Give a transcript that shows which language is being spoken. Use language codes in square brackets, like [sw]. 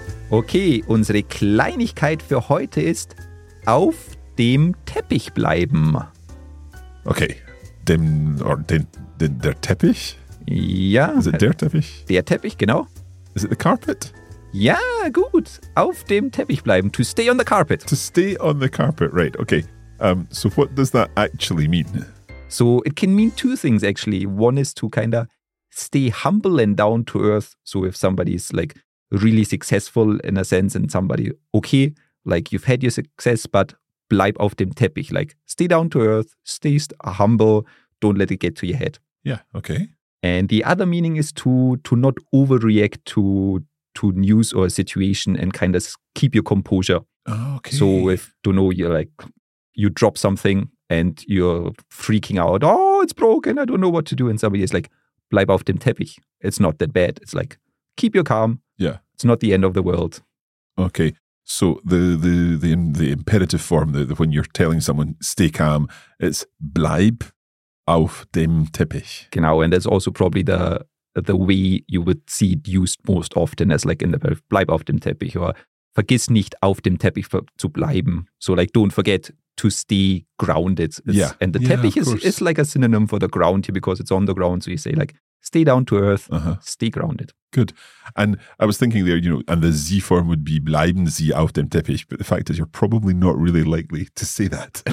[de] Okay, unsere Kleinigkeit für heute ist auf dem Teppich bleiben. Okay, der Teppich? Ja. [en] Is it [de] der Teppich? Der Teppich, genau. [en] Is it the carpet? [de] Ja, gut. Auf dem Teppich bleiben. [en] To stay on the carpet. To stay on the carpet, right. Okay. So what does that actually mean? So it can mean two things, actually. One is to kind of stay humble and down to earth. So if somebody is like really successful in a sense and somebody, okay, like you've had your success, but [de] bleib auf dem Teppich. [en] Like stay down to earth, stay humble, don't let it get to your head. Yeah, okay. And the other meaning is to not overreact to news or a situation and kind of keep your composure. Oh, okay. So if, don't know, you're like, you drop something and you're freaking out, oh, it's broken, I don't know what to do. And somebody is like, [de] bleib auf dem Teppich. [en] It's not that bad. It's like, keep your calm. Yeah. It's not the end of the world. Okay. So the imperative form, the when you're telling someone, stay calm, it's [de] bleib auf dem Teppich. Genau. [en] And that's also probably the the way you would see it used most often as like in the [de] bleib auf dem Teppich or vergiss nicht auf dem Teppich zu bleiben. [en] So like don't forget to stay grounded. Yeah. And the teppich is like a synonym for the ground here because it's on the ground. So you say like stay down to earth, stay grounded. Good. And I was thinking there, you know, and the Z form would be [de] bleiben Sie auf dem Teppich. [en] But the fact is, you're probably not really likely to say that.